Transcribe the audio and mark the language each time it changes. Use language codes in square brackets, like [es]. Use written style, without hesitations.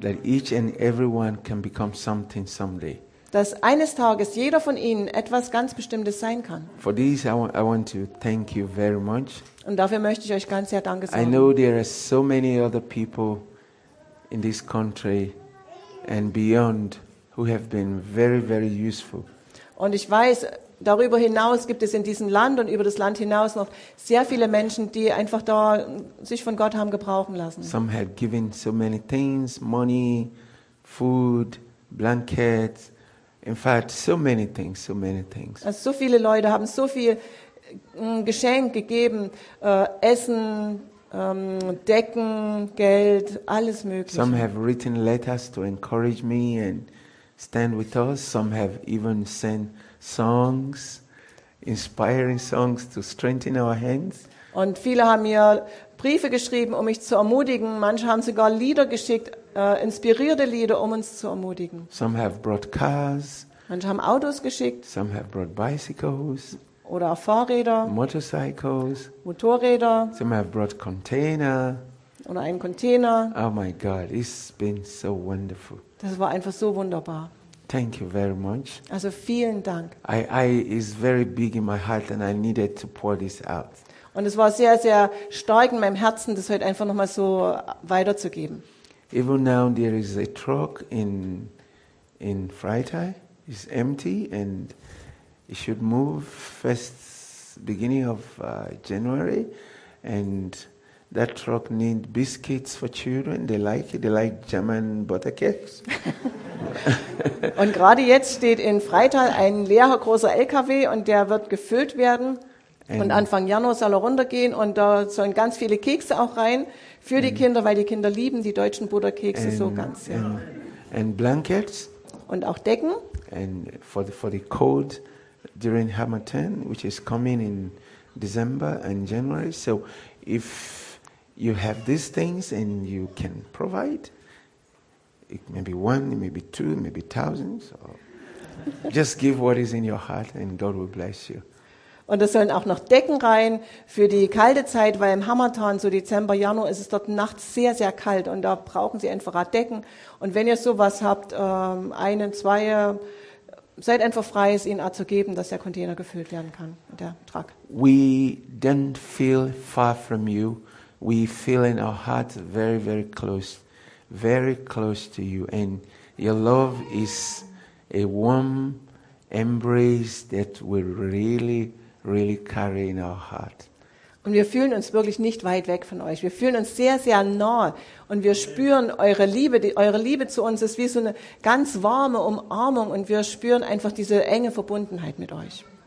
[en] That each and every one can become something someday. [de] Dass eines Tages jeder von ihnen etwas ganz Bestimmtes sein kann. [en] For this, I want to thank you very much. [de] Und dafür möchte ich euch ganz sehr Danke sagen. [en] I know there are so many other people in this country and beyond who have been very, very useful. [de] Und ich weiß, darüber hinaus gibt es in diesem Land und über das Land hinaus noch sehr viele Menschen, die einfach da sich von Gott haben gebrauchen lassen. [en] Some have given so many things, money, food, blankets. In fact, so many things. [de] Also so viele Leute haben so viel Geschenk gegeben, Essen, Decken, Geld, alles mögliche. [en] Some have written letters to encourage me and stand with us. Some have even sent songs, inspiring songs to strengthen our hands. [de] Und viele haben mir Briefe geschrieben, um mich zu ermutigen. Manche haben sogar Lieder geschickt, inspirierte Lieder, um uns zu ermutigen. [en] Some have brought cars. [de] Manche haben Autos geschickt. [en] Some have brought bicycles. [de] Oder Fahrräder. [en] Motorcycles. [de] Motorräder. [en] Some have brought container. [de] Oder einen Container. [en] Oh my God, it's been so wonderful. [de] Das war einfach so wunderbar. [en] Thank you very much. [de] Also vielen Dank. [en] I is very big in my heart and I needed to pour this out. [de] Und es war sehr, sehr stark in meinem Herzen, das heute einfach nochmal so weiterzugeben. [en] Even now there is a truck in Freital. It's empty and it should move first beginning of January. And that truck needs biscuits for children. They like it. They like German buttercakes. [de] Und gerade jetzt steht in Freital ein leerer großer LKW und der wird gefüllt werden. Und Anfang Januar soll er runtergehen und da sollen ganz viele Kekse auch rein für die Kinder, weil die Kinder lieben die deutschen Butterkekse so ganz sehr. [en] And blankets. [de] Und auch Decken. [en] And for the cold during Harmattan, which is coming in December and January. So if you have these things and you can provide, it may be one, it may be two, it may be thousands. Or just give what is in your heart and God will bless you. [de] Und es sollen auch noch Decken rein für die kalte Zeit, weil im Harmattan, so Dezember, Januar, ist es dort nachts sehr, sehr kalt und da brauchen sie einfach Decken. Und wenn ihr sowas habt, einen, zwei, seid einfach frei, es ihnen auch zu geben, dass der Container gefüllt werden kann, der Truck. [en] We don't feel far from you. We feel in our heart very, very close to you. And your love is a warm embrace that will really, really carry in our heart. [de] Und wir fühlen uns wirklich nicht weit weg von euch. Wir fühlen uns sehr, sehr nah und wir spüren eure Liebe. Eure Liebe zu uns ist wie so eine ganz warme Umarmung und wir spüren einfach diese enge Verbundenheit mit euch.